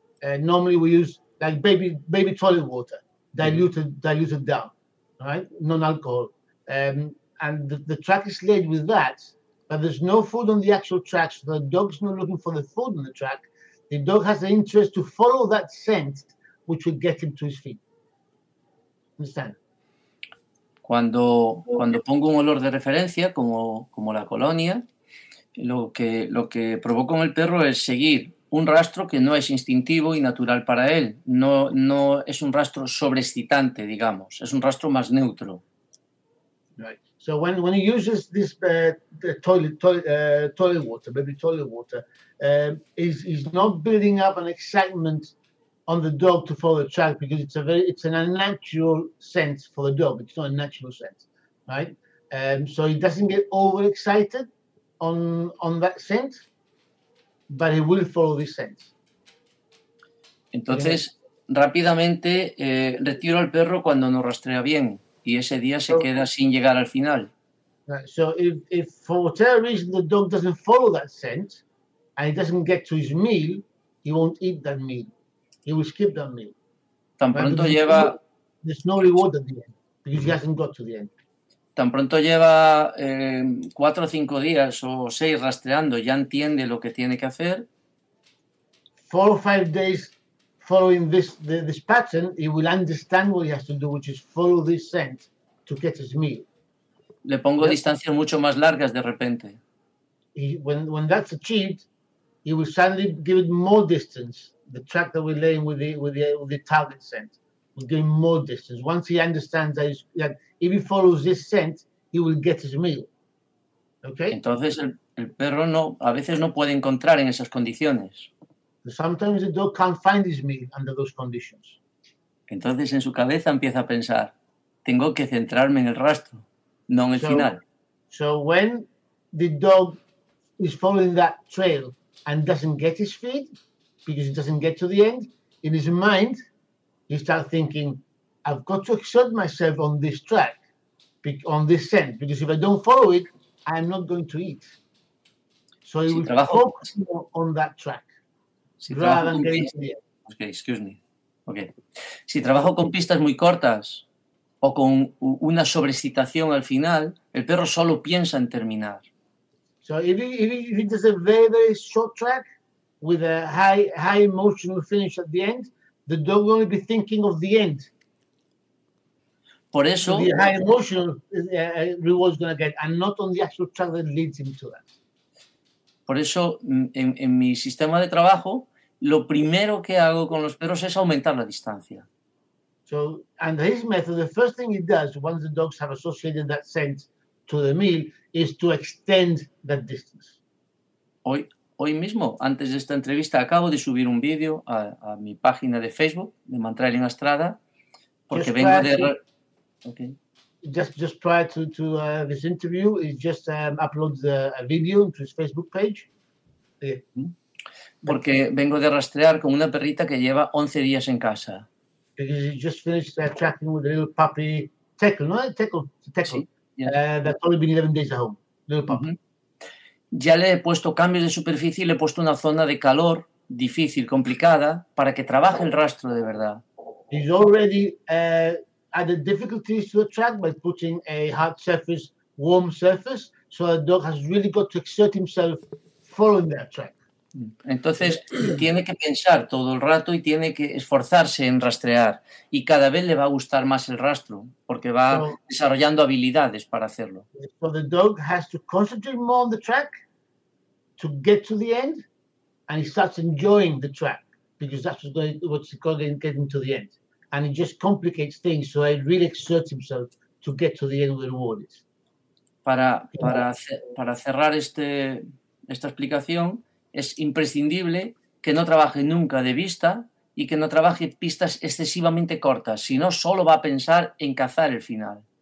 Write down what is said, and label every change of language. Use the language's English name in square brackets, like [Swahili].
[English] Normally we use like baby toilet water diluted down, right? Non-alcohol, and the track is laid with that. But there's no food on the actual track, so the dog's not looking for the food on the track. The dog has the interest to follow that scent, which will get him to his feet. Understand? [Spanish] Cuando pongo un olor de referencia, como la colonia, lo que provoco en el perro es seguir un rastro que no es instintivo y natural para él. No es un rastro sobreexcitante, digamos. Es un rastro más neutro. [English] Right. So when he uses this toilet water, he's not building up an excitement on the dog to follow the track because it's an unnatural scent for the dog. It's not a natural scent, right? So he doesn't get overexcited on that scent, but he will follow this scent. [Spanish] Entonces, rápidamente retiro al perro cuando no rastrea bien y ese día se queda sin llegar al final. [English] Right. So if for whatever reason the dog doesn't follow that scent and he doesn't get to his meal, he won't eat that meal. He will skip that meal. [Spanish] Tan pronto lleva... [English] There's no reward at the end because he hasn't got to the end. [Spanish] Tan pronto lleva 4 o 5 días o 6 rastreando, ya entiende lo que tiene que hacer. [English] 4 or 5 days following this pattern, he will understand what he has to do, which is follow this scent to get his meal. [Spanish] Le pongo distancias mucho más largas de repente. [English] When that's achieved, he will suddenly give it more distance. The track that we're laying with the target scent will give him more distance. Once he understands that if he follows this scent, he will get his meal. Okay. [Spanish] Entonces el perro no a veces no puede encontrar en esas condiciones. [English] Sometimes the dog can't find his meal under those conditions. [Spanish] Entonces en su cabeza empieza a pensar: tengo que centrarme en el rastro. No en el final. [English] So when the dog is following that trail and doesn't get his feed because he doesn't get to the end, in his mind, he starts thinking, I've got to exert myself on this track, on this scent, because if I don't follow it, I'm not going to eat. So he will focus more on that track. Si rather than getting to the end. Okay, excuse me. Okay. [Spanish] Si trabajo con pistas muy cortas o con una sobreexcitación al final, el perro solo piensa en terminar. [English] So if it is a very, very short track with a high emotional finish at the end, the dog will only be thinking of the end. [Spanish] Por eso, [English] the high emotional reward is going to get, and not on the actual track that leads him to that. [Spanish] Por eso, en mi sistema de trabajo, lo primero que hago con los perros es aumentar la distancia. [English] So, and his method, the first thing he does once the dogs have associated that scent to the meal is to extend that distance. [Spanish] Hoy mismo, antes de esta entrevista, acabo de subir un vídeo a mi página de Facebook, de Mantra en Estrada, porque just vengo de... [English] Just prior to this interview, he just uploads a video to his Facebook page. [Spanish] Porque vengo de rastrear con una perrita que lleva 11 días en casa. [English] Because he just finished tracking with a little puppy, Teckel, sí, that's only been 11 days at home, little puppy. Mm-hmm. [Spanish] Ya le he puesto cambios de superficie y le he puesto una zona de calor difícil, complicada, para que trabaje el rastro de verdad. [English] He's already added difficulties to the track by putting a hard surface, warm surface, so the dog has really got to exert himself following that track. [Spanish] Entonces, tiene que pensar todo el rato y tiene que esforzarse en rastrear. Y cada vez le va a gustar más el rastro, porque va desarrollando habilidades para hacerlo. [English] So the dog has to concentrate more on the track to get to the end, and he starts enjoying the track, because that's what's called getting to the end. And it just complicates things, so he really exerts himself to get to the end where the reward is. [Spanish] Para cerrar esta explicación, es imprescindible que no trabaje nunca de vista y que no trabaje pistas excesivamente cortas, sino solo va a pensar en cazar el final.